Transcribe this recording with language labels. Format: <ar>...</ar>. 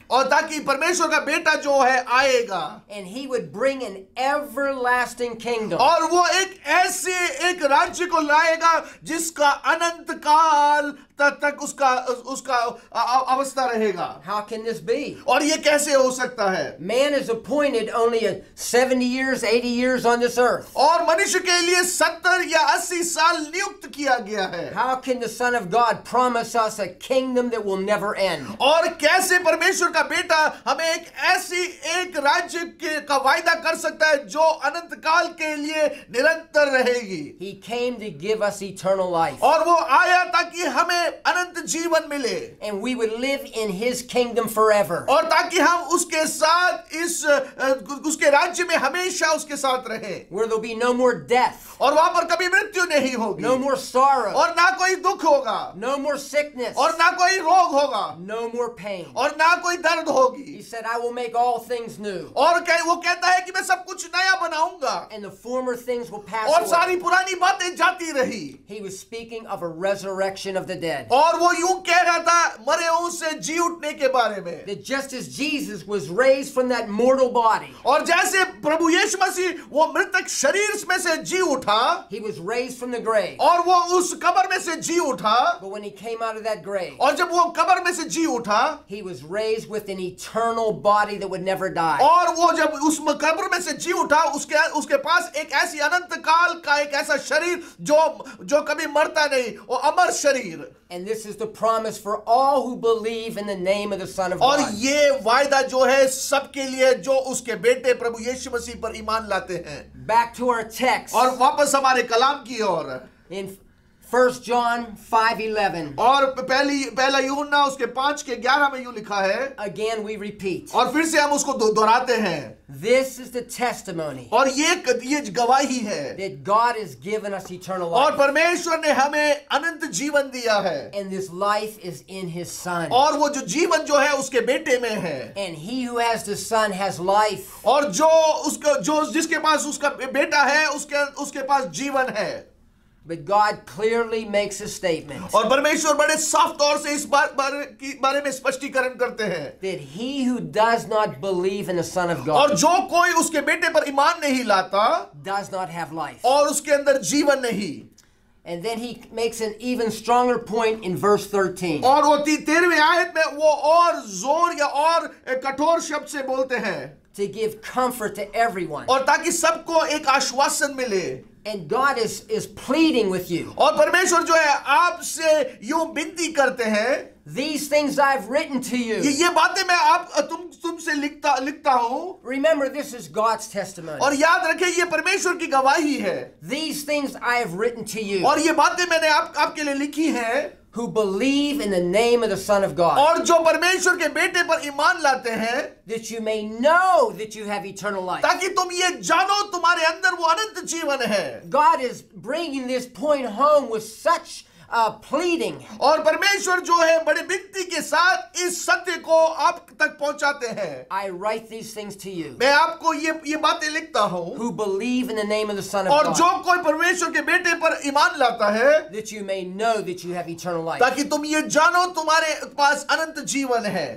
<hi>और ताकि परमेश्वर का बेटा जो है आएगा.</hi> <en>And he would bring an everlasting kingdom.</en> <hi>और वो एक ऐसे एक राज्य को लाएगा जिसका अनंत काल तक उसका अवस्था रहेगा.</hi> <en>How can this be?</en> <hi>और ये कैसे हो सकता है?</hi> <en>Man is appointed only 70 years, 80 years on this earth.</en> <hi>और मनुष्य के लिए 70 या 80 साल नियुक्त किया गया है.</hi> <en>How can the Son of God promise us a kingdom that will never end?</en> <hi>और कैसे परमेश्वर का बेटा हमें एक ऐसी एक राज्य का वायदा कर सकता है जो अनंत काल के लिए निरंतर रहेगी?</hi> <en>He came to give us eternal life.</en> <hi>और वो आया ताकि अनंत जीवन मिले.</hi> <en>And we would live in his kingdom forever.</en> <hi>और ताकि हम उसके साथ इस उसके राज्य में हमेशा उसके साथ रहे.</hi> <en>Where there'll be no more death.</en> <hi>और वहां पर कभी मृत्यु नहीं होगी.</hi> <en>No more sorrow.</en> <hi>और ना कोई दुख होगा.</hi> <en>No more sickness.</en> <hi>और ना कोई रोग होगा.</hi> <en>No more pain.</en> <hi>और ना कोई दर्द होगी.</hi> <en>He said, I will make all things new.</en> <hi>और वो कहता है कि मैं सब कुछ नया बनाऊंगा.</hi> <en>And the former things will pass</en> <hi>और सारी पुरानी बातें जाती रही.</hi> <en>He was speaking of a resurrection of the dead.</en> <hi>और वो यूं कह रहा था मरे हुओं से जी उठने के बारे में.</hi> <en>That just as Jesus was raised from that mortal body.</en> <hi>और जैसे प्रभु यीशु मसीह वो मृतक शरीर में से जी उठा.</hi> <en>He was raised from the grave.</en> <hi>और वो उस कब्र में से जी उठा.</hi> <en>But when he came out of that grave.</en> <hi>और जब वो कब्र में से जी उठा.</hi> <en>He was raised with an eternal body that would never die.</en> <hi>और वो जब उस कब्र में से जी उठा उसके पास एक ऐसी अनंत काल का एक ऐसा शरीर जो कभी मरता नहीं वो अमर शरीर.</hi> <en>And this is the promise for all who believe in the name of the Son of God.</en> <hi>और ये वायदा जो है सबके लिए जो उसके बेटे प्रभु यीशु मसीह पर ईमान लाते हैं.</hi> <en>Back to our text.</en> <hi>और वापस हमारे कलाम की ओर.</hi> <en>In 1 John 5:11.</en> <hi>और पहला यूहन्ना उसके 5 के 11 में यूं लिखा है.</hi> <en>Again we repeat.</en> <hi>और फिर से हम उसको दोहराते हैं.</hi> <en>This is the testimony.</en> <hi>और ये गवाही है.</hi> <en>That God has given us eternal life.</en> <hi>और परमेश्वर ने हमें अनंत जीवन दिया है.</hi> <en>And this life is in his son.</en> <hi>और वो जो जीवन जो है उसके बेटे में है.</hi> <en>And he who has the son has life.</en> <hi>और जो जिसके पास उसका बेटा है उसके पास जीवन है.</hi> <en>But God clearly makes a statement.</en> <hi>और परमेश्वर बड़े साफ तौर से इस बारे में स्पष्टीकरण करते हैं.</hi> <en>That he who does not believe in the Son of God.</en> <hi>और जो कोई उसके बेटे पर ईमान नहीं लाता.</hi> <en>Does not have life.</en> <hi>और उसके अंदर जीवन नहीं.</hi> <en>And then he makes an even stronger point in verse 13.</en> <hi>और वो 13वीं आयत में वो और जोर या और कठोर शब्द से बोलते हैं.</hi> <en>To give comfort to everyone.</en> <hi>और ताकि सबको एक आश्वासन मिले.</hi> <en>And God is pleading with you.</en> <hi>और परमेश्वर जो है आपसे यूं विनती करते हैं.</hi> <en>These things I've written to you.</en> <hi>ये बातें मैं आप तुमसे लिखता हूँ.</hi> <en>Remember, this is God's testimony.</en> <hi>और याद रखें ये परमेश्वर की गवाही है.</hi> <en>These things I have written to you.</en> <hi>और ये बातें मैंने आपके लिए लिखी हैं.</hi> <en>Who believe in the name of the Son of God.</en> <hi>और जो परमेश्वर के बेटे पर ईमान लाते हैं.</hi> <en>That you may know that you have eternal life.</en> <hi>ताकि तुम ये जानो तुम्हारे अंदर वो अनंत जीवन है.</hi> <en>God is bringing this point home with such pleading.</en> <hi>और परमेश्वर जो है बड़े विनती के साथ इस सत्य को आप तक पहुंचाते हैं.</hi> <en>I write these things to you.</en> <hi>मैं आपको ये बातें लिखता हूँ.</hi> <en>Who believe in the name of the Son of God.</en> <hi>और जो कोई परमेश्वर के बेटे पर ईमान लाता है.</hi> <en>That you may know that you have eternal life.</en> <hi>ताकि तुम ये जानो तुम्हारे पास अनंत जीवन है.</hi>